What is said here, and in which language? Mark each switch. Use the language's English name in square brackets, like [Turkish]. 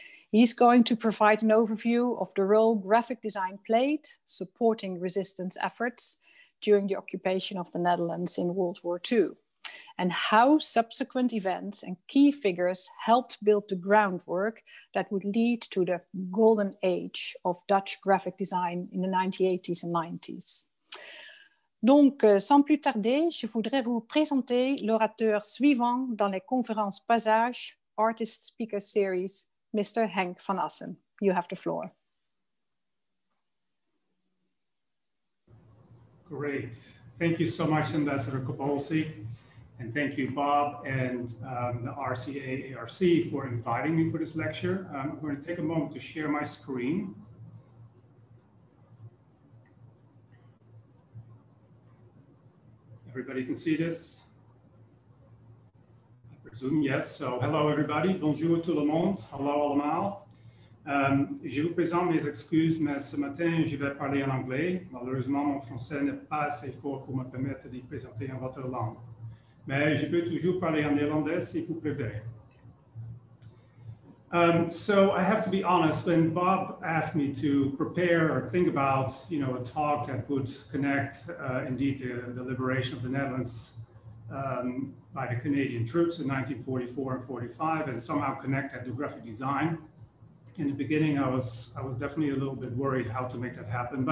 [English] He's going to provide an overview of the role graphic design played, supporting resistance efforts during the occupation of the Netherlands in World War II, and how subsequent events and key figures helped build the groundwork that would lead to the golden age of Dutch graphic design in the 1980s and 90s. [French] Donc, sans plus tarder, je voudrais vous présenter l'orateur suivant dans les conférences Passage Artist Speaker Series, Mr. [English] Henk van Assen. You have the floor. Great. Thank you so much, Ambassador Kobolsky. And thank you, Bob, and the RCA-ARC for inviting me for this lecture. I'm going to take a moment to share my screen. Everybody can see this? I presume yes. So hello, everybody. [French] Bonjour tout le monde. [English] Hello, allemaal. [French] Je vous présente mes excuses, mais ce matin, je vais parler en anglais. Malheureusement, mon français n'est pas assez fort pour me permettre de présenter en votre langue. Mais je peux toujours parler en néerlandais si vous préférez. [English] So I have to be honest, when Bob asked me to prepare or think about, you know, a talk that would connect indeed the liberation of the Netherlands by the Canadian troops in 1944 and 45 and somehow connect that to graphic design, in the beginning I was definitely a little bit worried how to make that happen.